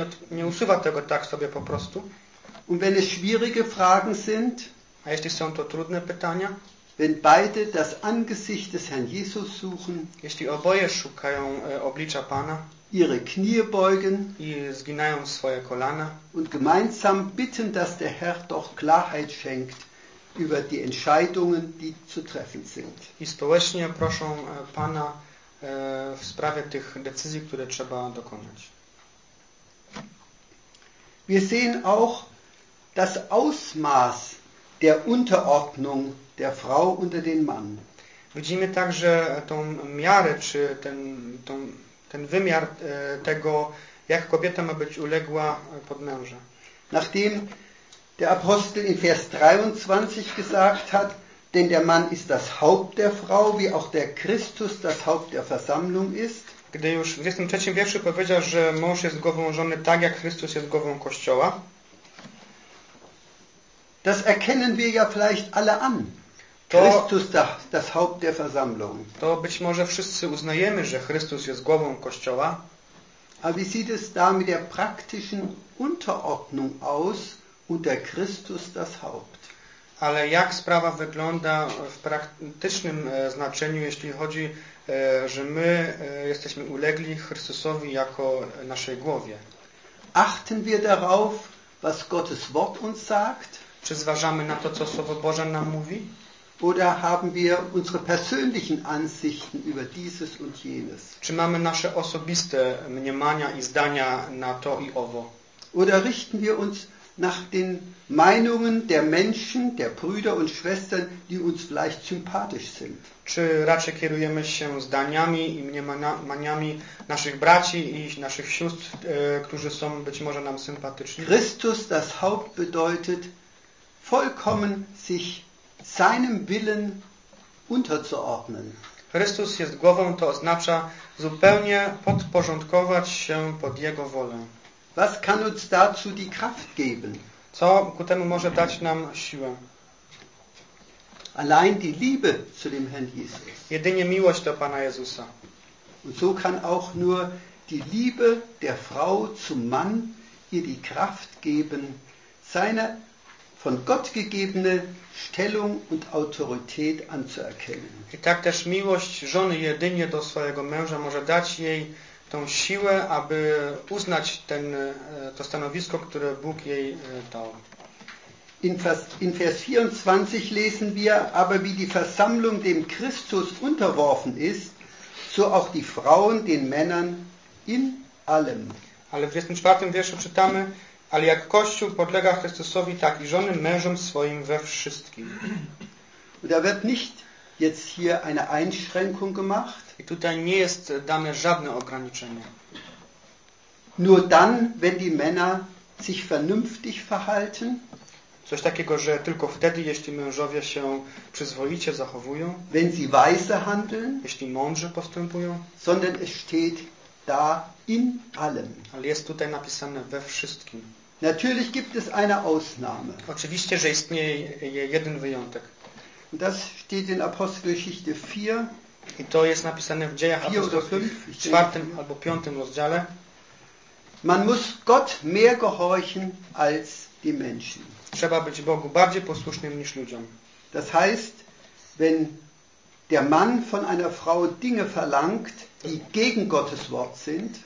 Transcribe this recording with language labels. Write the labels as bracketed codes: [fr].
[pl] nie usuwa tego tak sobie po prostu, [de] und wenn es schwierige Fragen sind, a [pl] A jeśli są to trudne pytania? [de] Wenn beide das Angesicht des Herrn Jesus suchen, [pl] jeśli oboje szukają oblicza Pana, [de] ihre Knie beugen, [pl] i zginają swoje kolana, [de] und gemeinsam bitten, dass der Herr doch Klarheit schenkt über die Entscheidungen, die zu treffen sind. [pl] I społecznie proszą Pana w sprawie tych decyzji, które trzeba dokonać. [de] Wir sehen auch das Ausmaß der Unterordnung der Frau unter den Mann. [pl] Widzimy także tą miarę, czy ten wymiar tego, jak kobieta ma być uległa pod męża. [de] Nachdem der Apostel in Vers 23 gesagt hat, denn der Mann ist das Haupt der Frau, wie auch der Christus das Haupt der Versammlung ist. [pl] Gdy już w 23 wierszu powiedział, że mąż jest głową żony, tak jak Chrystus jest głową Kościoła. [de] Das erkennen wir ja vielleicht alle an. Christus das Haupt der Versammlung. [pl] To być może wszyscy uznajemy, że Chrystus jest głową Kościoła. [de] A wie sieht es da mit der praktischen Unterordnung aus unter Christus das Haupt? [pl] Ale jak sprawa wygląda w praktycznym znaczeniu, jeśli chodzi, że my jesteśmy ulegli Chrystusowi jako naszej głowie? [de] Achten wir darauf, was Gottes Wort uns sagt? [pl] Czy zważamy na to, co Słowo Boże nam mówi? [de] Oder haben wir unsere persönlichen Ansichten über dieses und jenes? [pl] Czy mamy nasze osobiste mniemania i zdania na to i owo? [de] Oder richten wir uns nach den Meinungen der Menschen, der Brüder und Schwestern, die uns vielleicht sympathisch sind? [pl] Czy raczej kierujemy się zdaniami i mniemaniami naszych braci i naszych sióstr, którzy są być może nam sympatyczni? [de] Christus das Haupt bedeutet vollkommen sich seinem Willen unterzuordnen. [pl] Chrystus jest głową, to oznacza zupełnie podporządkować się pod Jego wolę. [de] Was kann uns dazu die Kraft geben? [pl] Co ku temu może dać nam siłę? [de] Allein die Liebe zu dem Herrn Jesus. [pl] Jedynie miłość do Pana Jezusa. [de] Und so kann auch nur die Liebe der Frau zum Mann ihr die Kraft geben, seine von Gott gegebene Stellung und Autorität anzuerkennen. [pl] I tak też miłość żony jedynie do swojego męża może dać jej tą siłę, aby uznać to stanowisko, które Bóg jej dał. [de] In Vers 24 lesen wir, aber wie die Versammlung dem Christus unterworfen ist, so auch die Frauen den Männern in allem. [pl] Ale w 24 wierszu czytamy, ale jak Kościół podlega Chrystusowi, tak i żony mężom swoim we wszystkim. [de] Und da wird nicht jetzt hier eine Einschränkung gemacht. [pl] I tutaj nie jest dane żadne ograniczenie. [de] Nur dann, wenn die Männer sich vernünftig verhalten. [pl] Coś takiego, że tylko wtedy, jeśli mężowie się przyzwoicie zachowują. [de] Wenn sie weise handeln. [pl] Jeśli mądrze postępują. [de] Sondern es steht da in allem. [pl] Ale jest tutaj napisane we wszystkim. [de] Natürlich gibt es eine Ausnahme. [pl] Oczywiście, że istnieje jeden wyjątek. [de] Und das steht in Apostelgeschichte 4. [pl] I to jest napisane w Dziejach Apostolskich w 4 albo 5 rozdziale. [de] Man muss Gott mehr gehorchen als die Menschen. [pl] Trzeba być Bogu bardziej posłusznym niż ludziom. [de] Das heißt, wenn der Mann von einer Frau Dinge verlangt, die gegen Gottes Wort sind.